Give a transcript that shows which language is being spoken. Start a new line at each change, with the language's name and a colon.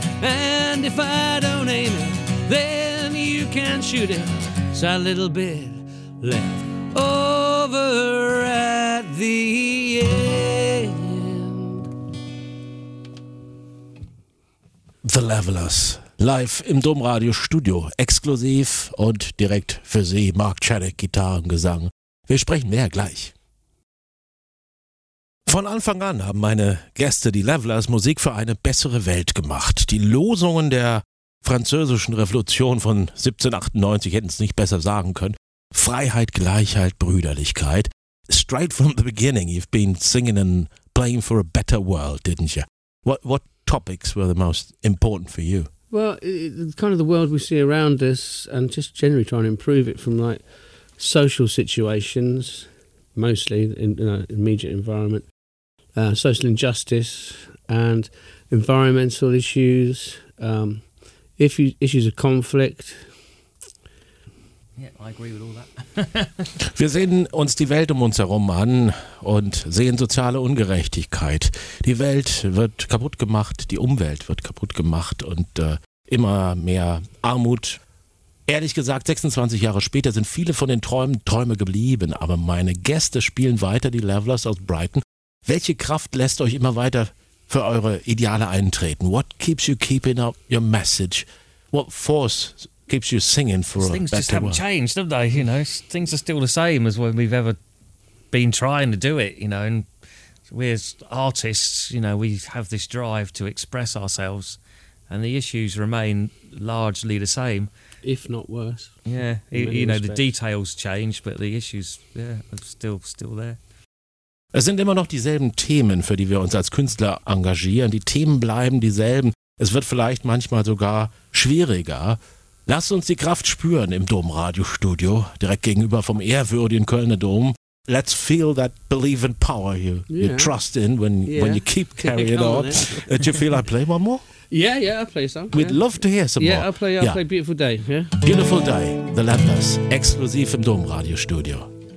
English: And if I don't aim it, then you can't shoot it. So a little bit left over at the end. The Levelers.
German: Live im Domradio Studio, exklusiv und direkt für Sie, Mark Chadwick, Gitarre und Gesang. Wir sprechen mehr gleich. Von Anfang an haben meine Gäste die Levelers Musik für eine bessere Welt gemacht. Die Losungen der französischen Revolution von 1798 hätten es nicht besser sagen können. Freiheit, Gleichheit, Brüderlichkeit.
English: Straight from the beginning, you've been singing and playing for a better world, didn't you? What topics were the most important for you? Well, kind of the world we see around us and just generally trying to improve it from, like, social situations, mostly in the immediate environment, social injustice and environmental issues, issues of conflict. Yeah, I agree with all that.
German: Wir sehen uns die Welt um uns herum an und sehen soziale Ungerechtigkeit. Die Welt wird kaputt gemacht, die Umwelt wird kaputt gemacht und immer mehr Armut. Ehrlich gesagt, 26 Jahre später sind viele von den Träumen Träume geblieben, aber meine Gäste spielen weiter die Levelers aus Brighton. Welche Kraft lässt euch immer weiter für eure Ideale eintreten?
English: What keeps you keeping up your message? What force keeps you singing for things a better world? Things just haven't changed, haven't they? You know, things are still the same as when we've ever been trying to do it, you know, and we as artists, you know, we have this drive to express ourselves. And the issues remain largely the same. If not worse. Yeah, you know, the details change, but the issues, yeah, are still there.
German: Es sind immer noch dieselben Themen, für die wir uns als Künstler engagieren. Die Themen bleiben dieselben. Es wird vielleicht manchmal sogar schwieriger. Lass uns die Kraft spüren im Domradio-Studio, direkt gegenüber vom ehrwürdigen Kölner Dom.
English: Let's feel that believe in power you trust in when you keep carrying on. Do you feel I play one more? Yeah, I'll play some. We'd love to hear some more. I'll play Beautiful Day. Yeah?
German: Beautiful Day, The Levelers, exklusiv im Domradio Studio.